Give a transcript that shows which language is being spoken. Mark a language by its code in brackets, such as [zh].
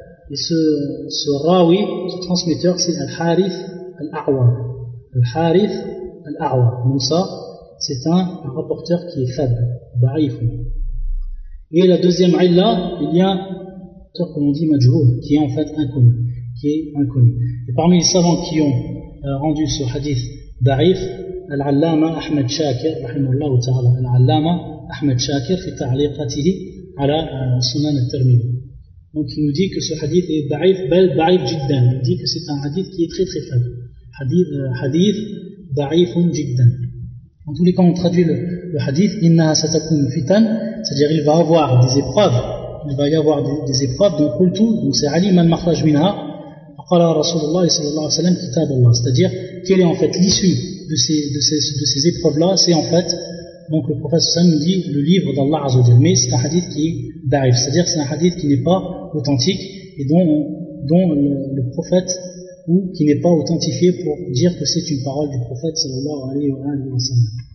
[fr] Et ce rawi, ce transmetteur, c'est al-harif al-a'war. Al-harif al-a'war. Donc ça, c'est un rapporteur qui est faible, da'if. Et la deuxième illat, il y a un rapporteur, comme on dit, majhoul, qui est en fait inconnu. Qui est inconnu. Et parmi les savants qui ont rendu ce hadith da'if, [ar] العلامة أحمد شاكر رحمه الله تعالى العلامة أحمد شاكر في تعليقاته على سنن الترمذي. [fr] Donc il nous dit que ce hadith est [ar] ضعيف بل ضعيف جدا. [fr] Il nous dit que c'est un hadith qui est très très faible. [ar] Hadith ضعيف جدا. [fr] En tous les cas, on traduit le hadith [ar] إنها ستكون فتن, [fr] c'est-à-dire il va avoir des épreuves. Il va y avoir des épreuves. Donc [ar] قلت, [fr] donc c'est [ar] علي من مخرج منها. قال رسول الله صلى الله عليه وسلم كتاب الله. [fr] C'est-à-dire quelle est en fait l'issue de ces épreuves-là, c'est en fait, donc le prophète Sam nous dit, le livre d'Allah Azzawajal. Mais c'est un hadith qui est da'if, c'est-à-dire c'est un hadith qui n'est pas authentique et dont le prophète, ou qui n'est pas authentifié pour dire que c'est une parole du prophète sallallahu alayhi wa sallam.